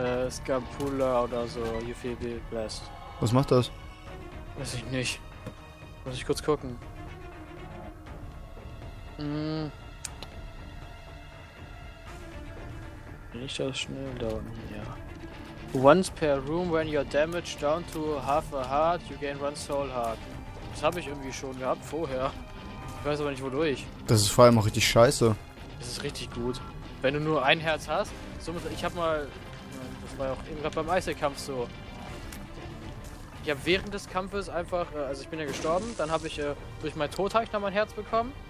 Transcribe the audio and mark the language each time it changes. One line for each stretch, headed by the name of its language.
English: Scampula
German: oder so.
English: You feel being blessed.
German: Was macht das? Weiß ich nicht. Muss ich kurz gucken. Bin ich das schnell da unten? Ja.
English: Once per room, when you're damaged down to half a heart, you gain 1 soul heart.
German: Das habe ich irgendwie schon gehabt vorher. Ich weiß aber nicht wodurch. Das ist vor allem auch richtig scheiße. Das ist richtig gut. Wenn du nur ein Herz hast, somit, ich habe mal, das war ja auch eben gerade beim Eiselkampf so. Ich habe während des Kampfes einfach, also ich bin ja gestorben, dann habe ich durch meinen Tod habe ich noch mein Herz bekommen.